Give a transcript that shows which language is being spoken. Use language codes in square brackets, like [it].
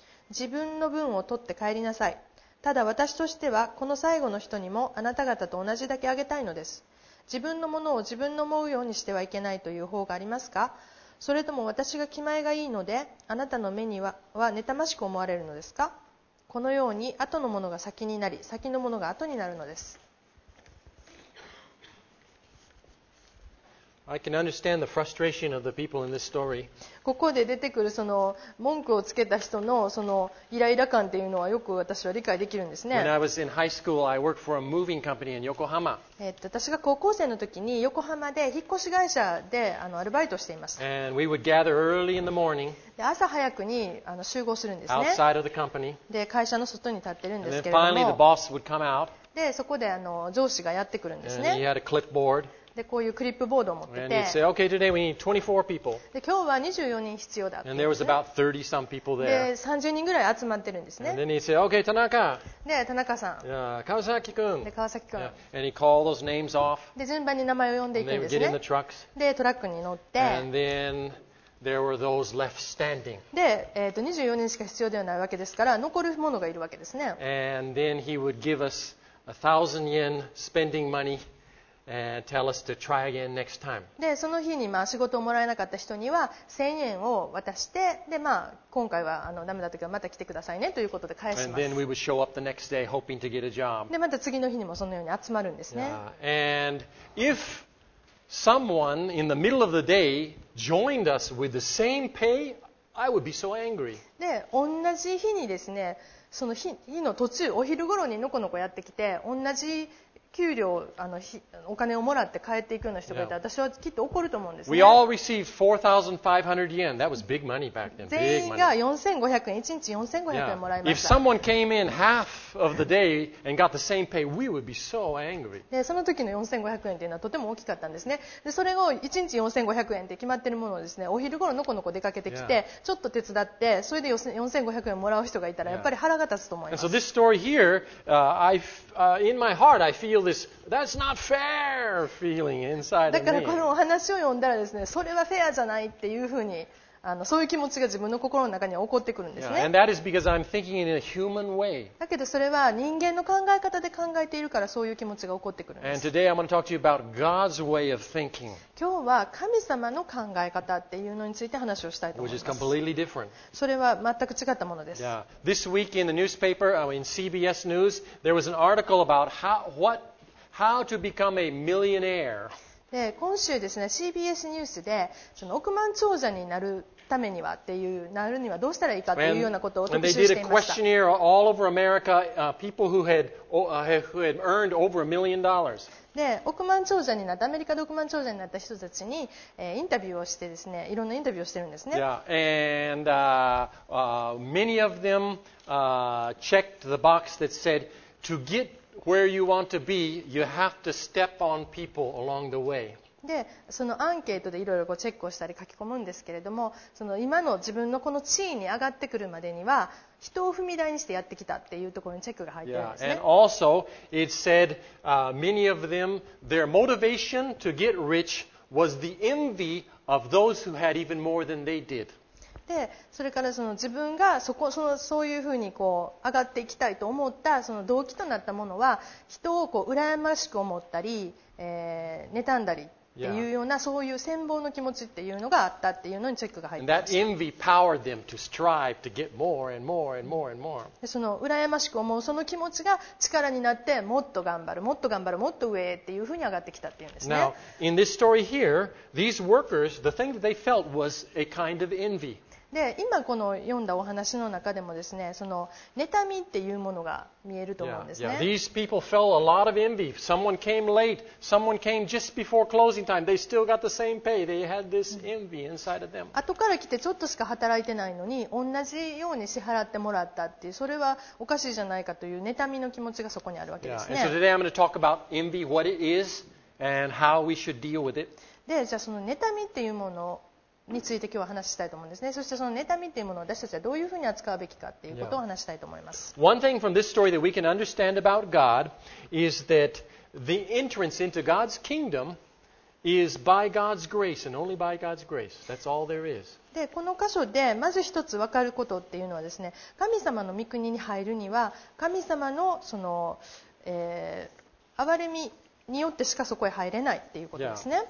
[ja] 自分の分を取って帰りなさい。ただ私としてはこの最後の人にもあなた方と同じだけあげたいのです。自分のものを自分の思うようにしてはいけないという方がありますか。それとも私が気前がいいのであなたの目には妬ましく思われるのですか。このように後のものが先になり先のものが後になるのです。 [en] I can understand the frustration of the people in this story. [ja] ここで出てくるその文句をつけた人のそのイライラ感っていうのはよく私は理解できるんですね。 [en] When I was in high school, I worked for a moving company in Yokohama. [ja] 私が高校生の時に横浜で引っ越し会社でアルバイトしていました。 [en] And we would gather early in the morning. [ja] 朝早くに集合するんですね。 [en] Outside of the company. [ja] で会社の外に立ってるんですけれども。 [en] And then finally the boss would come out. [ja] でそこで上司がやってくるんですね。 [en] And he had a clipboard. [ja] でこういうクリップボードを持ってて、 [en] say, okay, today we need 24 people. [ja] で今日は24人必要だって、ね、で30 人ぐらい集まってるんですね。 [en] And then he'd say, okay, 田中、 [ja] で田中さん、 [en] yeah, 川崎くん、 [ja] で川崎くん、 [en] yeah. And he'd call those names off. [ja] で順番に名前を呼んでいくんですね。 [en] And they'd get in the trucks. [ja] でトラックに乗って、 [en] And then there were those left standing. [ja] で、24人しか必要ではないわけですから残る者がいるわけですね。 [en] And then he would give us 1,000 yen spending money. Tell us to try again next time. [ja] でその日に仕事をもらえなかった人には1000円を渡してで、今回はダメだったけどまた来てくださいねということで返します。 [en] And then we would show up the next day hoping to get a job. [ja] でまた次の日にもそのように集まるんですね。 [en] Yeah. And if someone in the middle of the day joined us with the same pay I would be so angry. [ja] で、同じ日にですね、その日の途中、お昼頃にのこのこやってきて、同じ給料、お金をもらって帰っていくような人がいて、私はきっと怒ると思うんですね。 [en] We all received 4,500 yen. That was big money back then. [ja] 全員が4,500円、1日4,500円もらいました。 [en] If someone came in half of the day and got the same pay, we would be so angry. [ja] で、その時の4,500円というのはとても大きかったんですね。で、それを1日4,500円って決まってるものをですね、お昼頃のこのこ出かけてきて、ちょっと手伝って、それで4,500円もらう人がいたら、やっぱり腹が立つと思います。 [en] And so this story here, in my heart, I feel this, that's not fair feeling inside of me. [ja] だからこのお話を読んだらですね、それはフェアじゃないっていうふうに、そういう気持ちが自分の心の中に起こってくるんですね。 [en] Yeah, and that is because I'm thinking in a human way. [ja] だけどそれは人間の考え方で考えているからそういう気持ちが起こってくるんです。 [en] And today I'm going to talk to you about God's way of thinking. [ja] 今日は神様の考え方っていうのについて話をしたいと思います。 [en] Which is completely different. [ja] それは全く違ったものです。 [en] Yeah. This week in the newspaper, in CBS News, there was an article about how to become a millionaire. [ja] で今週ですね、CBS ニュースでその億万長者になるためにはっていう、なるにはどうしたらいいかというようなことを特集していました。 [en] And they did a questionnaire all over America, people who had, earned over $1 million. [ja] で億万長者になったアメリカで億万長者になった人たちに、インタビューをしてですね、いろんなインタビューをしてるんですね。 [en] Yeah, and many of them checked the box that said to getWhere you want to be, you have to step on people along the way. [ja] で、そのアンケートでいろいろチェックをしたり書き込むんですけれども、その今の自分のこの地位に上がってくるまでには、人を踏み台にしてやってきたっていうところにチェックが入ってるんですね。 [en] Yeah, and also it said, many of them, their motivation to get rich was the envy of those who had even more than they did. [ja] でそれからその自分が そういうふうにこう上がっていきたいと思ったその動機となったものは人をこう羨ましく思ったり、妬んだりっていうような、yeah. そういう羨望の気持ちっていうのがあったっていうのにチェックが入ってます。 [en] That envy powered them to strive to get more and more and more and more. [ja] でその羨ましく思うその気持ちが力になってもっと頑張る、もっと頑張る、もっと上へっていうふうに上がってきたっていうんですね。 [en] Now, in this story here, these workers, the thing that they felt was a kind of envy. [ja] で今この読んだお話の中でもですね、その妬みっていうものが見えると思うんですね。 [en] Yeah, yeah. These people felt a lot of envy. Someone came late. Someone came just before closing time. They still got the same pay. They had this envy inside of them. [ja] 後から来てちょっとしか働いてないのに同じように支払ってもらったっていう、それはおかしいじゃないかという妬みの気持ちがそこにあるわけですね。 [en] Yeah. And so today I'm going to talk about envy, what it is, and how we should deal with it. [ja] で、じゃあその妬みっていうものをについて今日は話したいと思うんですね。そしてその妬みというものを私たちはどういうふうに扱うべきかということを話したいと思います。 [en] Yeah. One thing from this story that we can understand about God is that the entrance into God's kingdom is by God's grace and only by God's grace. That's all there is. [ja] で、この箇所でまず一つ分かることっていうのはですね、神様の御国に入るには神様のその、憐れみによってしかそこへ入れないっていうことですね。